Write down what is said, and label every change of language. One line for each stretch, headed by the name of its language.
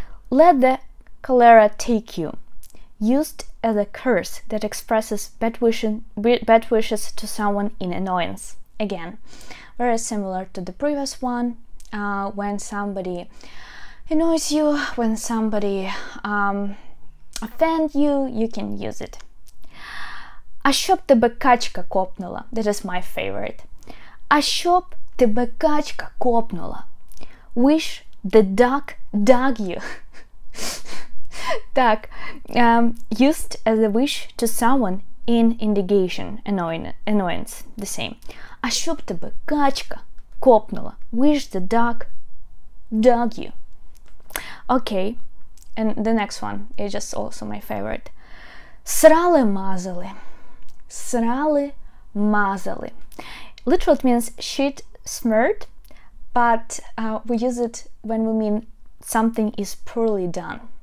English: Let the cholera take you. Used as a curse that expresses bad wishes to someone in annoyance. Again, very similar to the previous one. When somebody annoys you, when somebody offend you, you can use it.
Ukrainian: А щоб тебе качка копнула.
English: That is my favorite.
Ukrainian: А щоб тебе качка копнула.
English: Wish the duck dug you. Так, used as a wish to someone in indignation, annoyance, the same.
Ukrainian: А щоб тебе качка копнула.
English: Wish the duck dug you. Okay, and the next one is just also my favorite.
Ukrainian: Срали мазали. Срали мазали.
English: Literally it means shit smeared, but we use it when we mean something is poorly done.